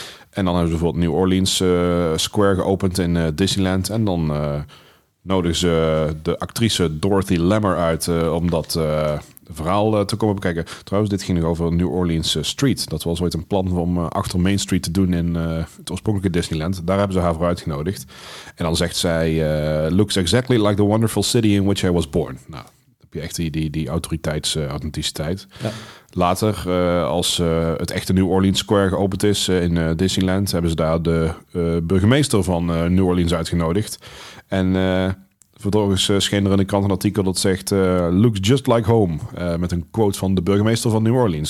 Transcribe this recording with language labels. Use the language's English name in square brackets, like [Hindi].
[Dutch] En dan hebben ze bijvoorbeeld New Orleans Square geopend in Disneyland. En dan nodigen ze de actrice Dorothy Lammer uit om dat verhaal te komen bekijken. Trouwens, dit ging nu over New Orleans Street. Dat was ooit een plan om achter Main Street te doen in het oorspronkelijke Disneyland. Daar hebben ze haar voor uitgenodigd. En dan zegt zij, [English] looks exactly like the wonderful city in which I was born. [Dutch] Nou, heb je echt die authenticiteit. Ja. Later, als het echte New Orleans Square geopend is in Disneyland, hebben ze daar de burgemeester van New Orleans uitgenodigd. En vervolgens scheen er in de krant een artikel dat zegt, [English] looks just like home, [Dutch] met een quote van de burgemeester van New Orleans.